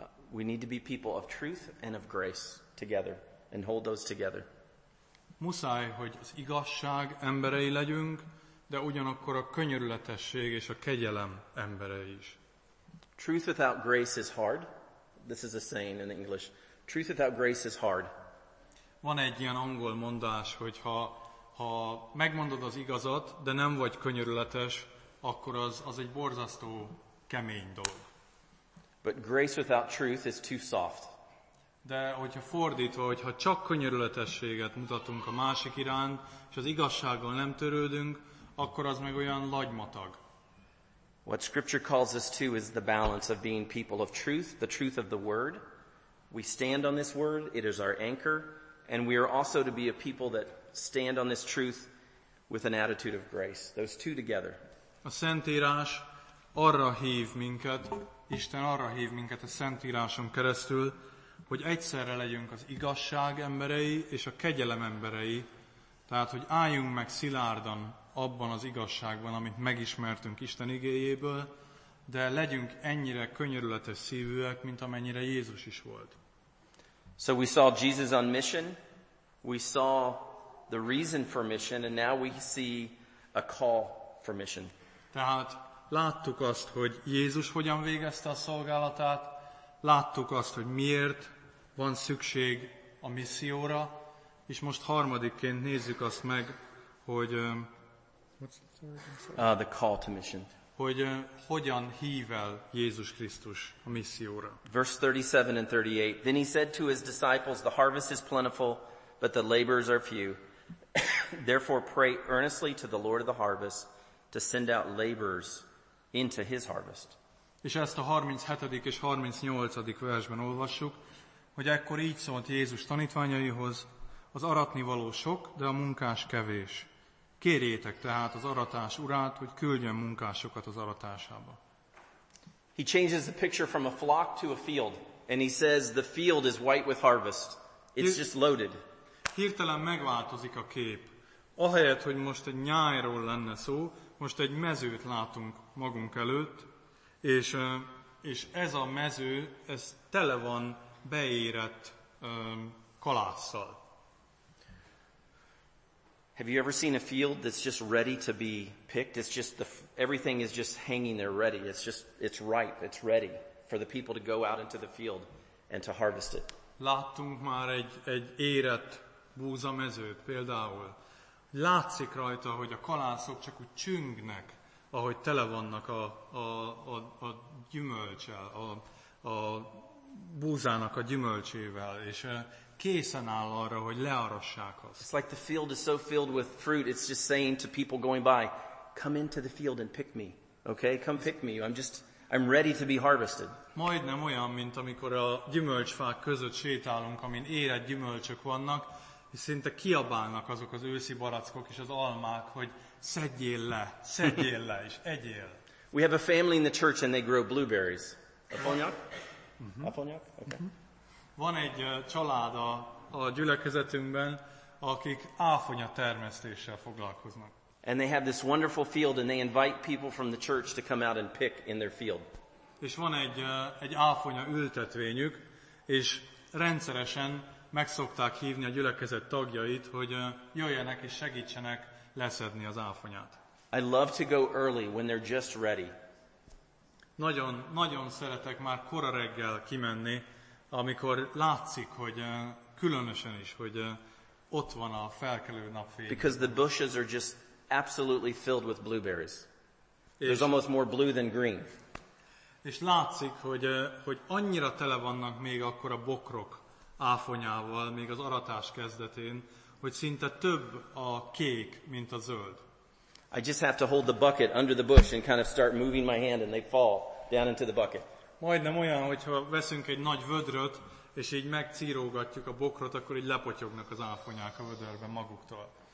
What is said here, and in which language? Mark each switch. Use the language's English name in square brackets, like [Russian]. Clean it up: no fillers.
[English] We need to be people of truth and of grace together and hold those together. [Hungarian] Muszáj, hogy az igazság emberei legyünk, de ugyanakkor a könyörületesség és a kegyelem emberei is. [English] Truth without grace is hard. This is a saying in English. Truth without grace is hard. [Hungarian] Van egy ilyen angol mondás, hogy ha megmondod az igazat, de nem vagy könyörületes, akkor az egy borzasztó kemény dolog. [English] But grace without truth is too soft. [Hungarian] De hogyha fordítva, hogyha csak könyörületességet mutatunk a másik iránt, és az igazsággal nem törődünk, akkor az meg olyan lagymatag. [English] What scripture calls us to is the balance of being people of truth, the truth of the word. We stand on this word, it is our anchor, and we are also to be a people that stand on this truth with an attitude of grace. Those two together. [Hungarian] A Szentírás arra hív minket, Isten arra hív minket a Szentíráson keresztül, hogy egyszerre legyünk az igazság emberei és a kegyelem emberei, tehát, hogy álljunk meg szilárdan abban az igazságban, amit megismertünk Isten igéjéből, de legyünk ennyire könyörületes szívűek, mint amennyire Jézus is volt. [English] So we saw Jesus on mission, we saw the reason for mission, and now we see a call for mission. [Hungarian] Tehát láttuk azt, hogy Jézus hogyan végezte a szolgálatát, láttuk azt, hogy miért van szükség a misszióra, és most harmadikként nézzük azt meg, hogy [English] The call to mission. [Hungarian] Hogy hogyan hív el Jézus Krisztus a misszióra. [English] Verse 37 and 38. Then he said to his disciples, the harvest is plentiful, but the laborers are few. Therefore pray earnestly to the Lord of the harvest to send out laborers into his harvest. [Hungarian] És ezt a 37. és 38. versben olvassuk, hogy ekkor így szólt Jézus tanítványaihoz, az aratnivaló sok, de a munkás kevés. Kérjétek tehát az aratás urát, hogy küldjön munkásokat az aratásába. [English] He changes the picture from a flock to a field, and he says the field is white with harvest. It's just loaded. [Hungarian] Hirtelen megváltozik a kép. Ahelyett, hogy most egy nyájról lenne szó, most egy mezőt látunk magunk előtt, és ez a mező, ez tele van beérett kalásszal. [English] Have you ever seen a field that's just ready to be picked? It's just everything is just hanging there ready. It's ripe. It's ready for the people to go out into the field and to harvest it. [Hungarian] Láttunk már egy érett búzamezőt például. Látszik rajta, hogy a kalászok csak úgy csüngnek, ahogy tele vannak a gyümölcsel, a búzának a gyümölcsével, és készen áll arra, hogy learassák azt. [English] It's like the field is so filled with fruit, it's just saying to people going by, come into the field and pick me, okay? Come pick me, I'm ready to be harvested. [Hungarian] Majdnem olyan, mint amikor a gyümölcsfák között sétálunk, amin érett gyümölcsök vannak, és szinte kiabálnak azok az őszi barackok és az almák, hogy szedjél le, és egyél. [English] We have a family in the church and they grow blueberries. Apolnyak? Mm-hmm. Apolnyak? Okay. Mm-hmm. [Hungarian] Van egy család a gyülekezetünkben, akik áfonya termesztéssel foglalkoznak. [English] And they have this wonderful field and they invite people from the church to come out and pick in their field. [Hungarian] És van egy áfonya ültetvényük, és rendszeresen megszokták hívni a gyülekezet tagjait, hogy jöjjenek és segítsenek leszedni az áfonyát. [English] I love to go early when they're just ready. [Hungarian] Nagyon, nagyon szeretek már kora reggel kimenni, amikor látszik, hogy különösen is, hogy ott van a felkelő napfény. [English] Because the bushes are just absolutely filled with blueberries. There's almost more blue than green. [Hungarian] És látszik, hogy annyira tele vannak még akkor a bokrok áfonyával, még az aratás kezdetén, hogy szinte több a kék, mint a zöld. [English] I just have to hold the bucket under the bush and kind of start moving my hand and they fall down into the bucket. [Hungarian] Majdnem olyan, hogyha veszünk egy nagy vödröt, és így megcírógatjuk a bokrot, akkor így lepotyognak az áfonyák a vödörben maguktól.